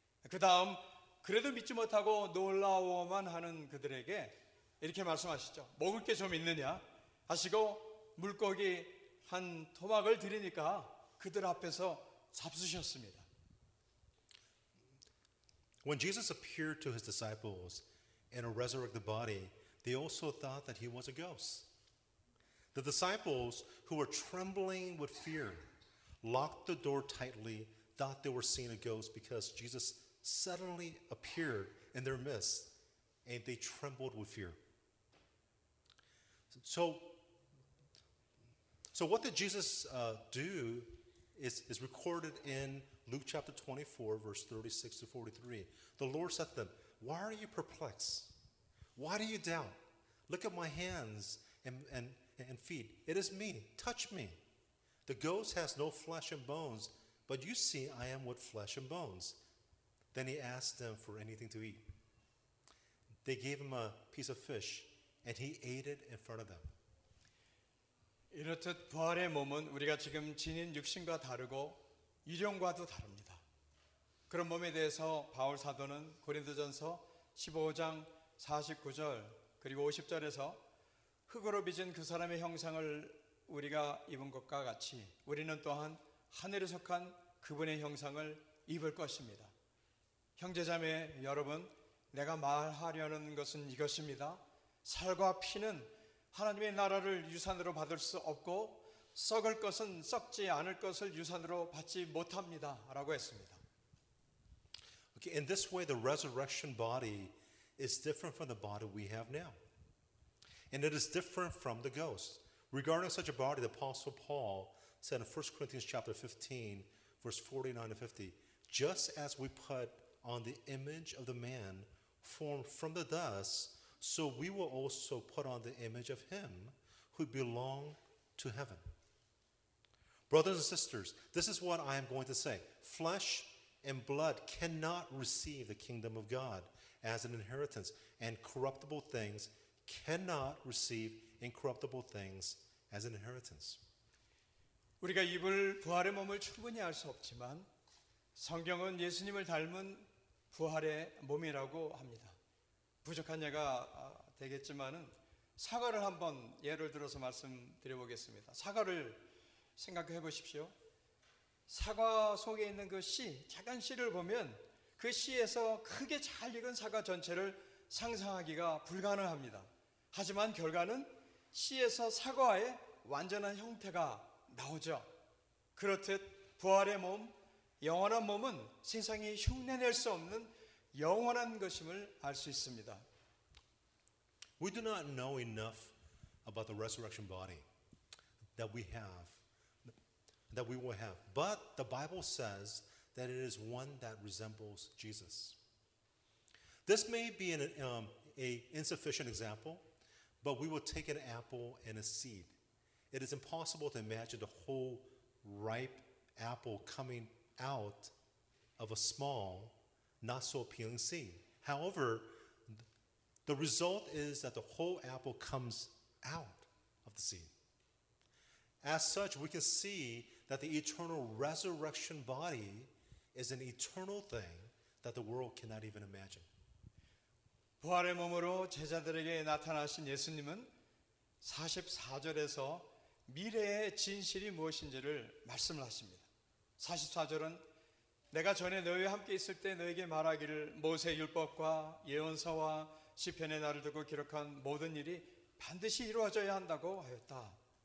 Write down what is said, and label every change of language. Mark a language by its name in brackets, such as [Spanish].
[Korean] 그 다음 그래도 믿지 못하고 놀라워만 하는 그들에게 이렇게 말씀하시죠. 먹을 게 좀 있느냐 하시고 물고기 한 토막을 드리니까 그들 앞에서 잡수셨습니다. [English] When Jesus appeared to his disciples in a resurrected body, they also thought that he was a ghost. The disciples, who were trembling with fear, locked the door tightly, thought they were seeing a ghost because Jesus suddenly appeared in their midst, and they trembled with fear. So what did Jesus do is recorded in Luke chapter 24, verse 36 to 43. The Lord said to them, "Why are you perplexed? Why do you doubt? Look at my hands and feet. It is me. Touch me. The ghost has no flesh and bones, but you see I am with flesh and bones." Then he asked them for anything to eat. They gave him a piece of fish, and he ate it in front of them. [Korean] 이렇듯 부활의 몸은 우리가 지금 지닌 육신과 다르고 유령과도 다릅니다. 그런 몸에 대해서 바울 사도는 고린도전서 15장 49절 그리고 50절에서 흙으로 빚은 그 사람의 형상을 우리가 입은 것과 같이 우리는 또한 하늘에 속한 그분의 형상을 입을 것입니다. 형제자매 여러분, 내가 말하려는 것은 이것입니다. 살과 피는 하나님의 나라를 유산으로 받을 수 없고 썩을 것은 썩지 않을 것을 유산으로 받지 못합니다 라고 했습니다. [English] Okay, in this way the resurrection body is different from the body we have now. And it is different from the ghost. Regarding such a body, the Apostle Paul said in 1 Corinthians chapter 15, verse 49 to 50, "Just as we put on the image of the man formed from the dust, so we will also put on the image of him who belong to heaven." Brothers and sisters, this is what I am going to say. Flesh and blood cannot receive the kingdom of God as an inheritance, and corruptible things cannot receive incorruptible things as an inheritance. [Korean] 우리가 입을 부활의 몸을 충분히 알 수 없지만 성경은 예수님을 닮은 부활의 몸이라고 합니다. 부족한 예가 되겠지만은 사과를 한번 예를 들어서 말씀드려 보겠습니다. 사과를 생각해 보십시오. 사과 속에 있는 그 씨, 작은 씨를 보면 그 씨에서 크게 잘 익은 사과 전체를 상상하기가 불가능합니다. 하지만 결과는 씨에서 사과의 완전한 형태가 나오죠. 그렇듯 부활의 몸, 영원한 몸은 세상이 흉내낼 수 없는 영원한 것임을 알 수 있습니다. [English] We do not know enough about the resurrection body that we have, that we will have. But the Bible says that it is one that resembles Jesus. This may be an insufficient example, but we will take an apple and a seed. It is impossible to imagine the whole ripe apple coming out of a small, not so appealing seed. However, the result is that the whole apple comes out of the seed. As such, we can see that the eternal resurrection body is an eternal thing that the world cannot even imagine. [Korean] 부활의 몸으로 제자들에게 나타나신 예수님은 44절에서 미래의 진실이 무엇인지를 말씀을 하십니다. 44절은 내가 전에 너희와 함께 있을 때 너에게 말하기를 모세 율법과 예언서와 시편의 나를 두고 기록한 모든 일이 반드시 이루어져야 한다고 하였다.